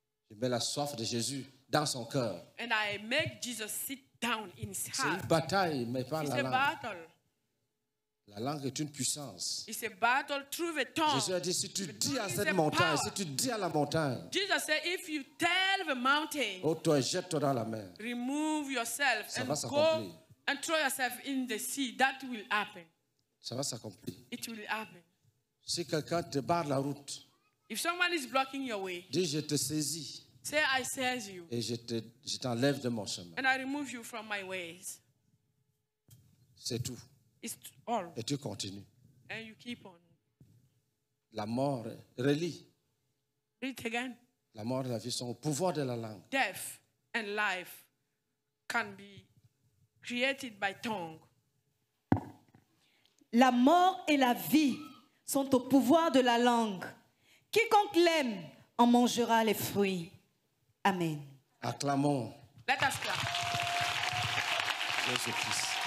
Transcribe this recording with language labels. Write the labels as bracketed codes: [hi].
[fr] Je mets la soif de Jésus dans son cœur. [en] And I make Jesus sit down in his heart. [fr] C'est une bataille, mais pas [en] it's [fr] la langue. [en] It's a battle. [fr] La langue est une puissance. [en] It's a battle through the tongue. [fr] Jésus a dit, si tu dis à cette montagne, si tu dis à la montagne, [en] Jesus said, if you tell the mountain, [fr] ôte-toi et jette-toi dans la mer, [en] remove yourself [fr] ça [en] and [fr] va s'accomplir. [en] Go and throw yourself in the sea, that will happen. [fr] Ça va s'accomplir. [en] It will happen. [fr] Si quelqu'un te barre la route, [en] if someone is blocking your way, [fr] dis, je te saisis, [en] say, I seize you, [fr] et je t'enlève de mon chemin, [en] and I remove you from my ways. [fr] C'est tout. [en] All. [fr] Et tu continues. [en] And you keep on. [fr] La mort relie. [en] Read it again. [fr] La mort et la vie sont au pouvoir de la langue. [en] Death and life can be created by tongue. [fr] La mort et la vie sont au pouvoir de la langue. Quiconque l'aime en mangera les fruits. Amen. Acclamons. [en] Let us clap. [fr] Jésus-Christ.